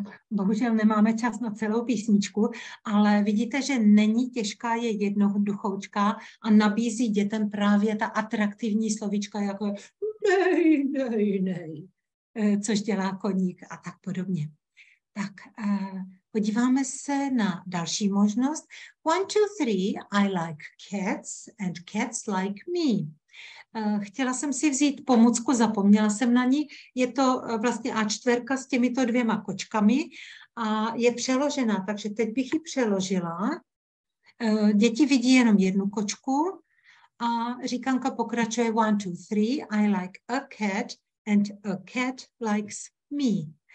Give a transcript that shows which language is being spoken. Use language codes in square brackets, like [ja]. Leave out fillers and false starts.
[cs] Bohužel nemáme čas na celou písničku, ale vidíte, že není těžká, je jednoduchoučká a nabízí dětem právě ta atraktivní slovíčka jako nej, nej, nej, což dělá koník a tak podobně. Tak podíváme se na další možnost. [en] One, two, three, I like cats and cats like me. [cs] Chtěla jsem si vzít pomůcku, zapomněla jsem na ní. Je to vlastně A4 s těmito dvěma kočkami a je přeložena, takže teď bych ji přeložila. Děti vidí jenom jednu kočku a říkanka pokračuje [en] one, two, three, I like a cat and a cat likes me.